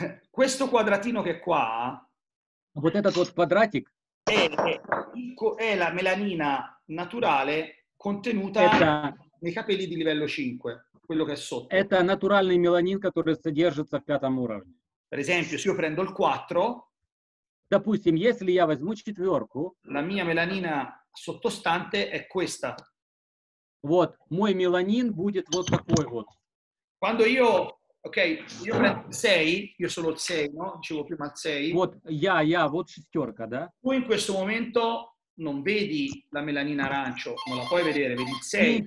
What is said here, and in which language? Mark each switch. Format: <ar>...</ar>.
<it>Questo quadratino che qua.</it> <ru>Вот этот вот квадратик.</ru> <it>È la melanina naturale contenuta nei capelli di livello 5, quello che è sotto.</it> <ru>Это натуральный меланин, который содержится в пятом уровне.</ru> <it>Per esempio, se io prendo il 4.</it> <ru>Допустим, если я возьму четверку.</ru> <it>La mia melanina sottostante è questa.</it> <ru>Вот, мой меланин будет вот такой вот.</ru> <it>Quando io Ok, io prendo 6, io sono il 6, no? Dicevo prima il 6.</it> <ru>Вот я вот шестёрка, да?</ru> <it>Tu in questo momento non vedi la melanina arancio, ma la puoi vedere, vedi il 6.</it>